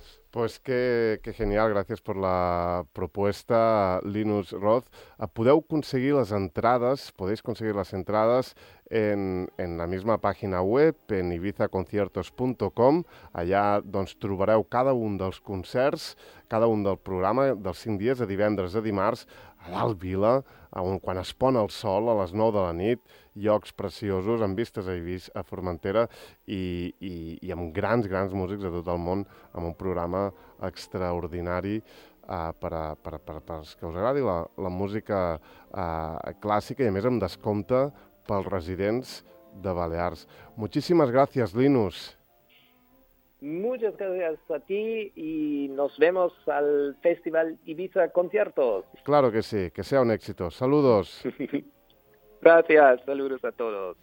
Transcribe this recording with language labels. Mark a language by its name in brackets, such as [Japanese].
[Spanish] Pues qué genial, gracias por la propuesta, Linus Roth. [Catalan] Podeu aconseguir les entrades, podeu aconseguir les entrades en la misma pàgina web, en ibizaconciertos.com. Allà doncs, trobareu cada un dels concerts, cada un del programa dels 5 dies, de divendres a dimarts, a Dalt Vila, on quan es pon el sol a les 9 de la nit, llocs preciosos amb vistes a Ibiza, a Formentera, i amb grans, grans músics de tot el món, amb un programa extraordinari per als que us agradi la música clàssica, i a més amb descompte pels residents de Balears. Moltíssimes gràcies, Linus. [Spanish] Muchas gracias a ti y nos vemos al Festival Ibiza Conciertos. Claro que sí, que sea un éxito. Saludos. Gracias, saludos a todos.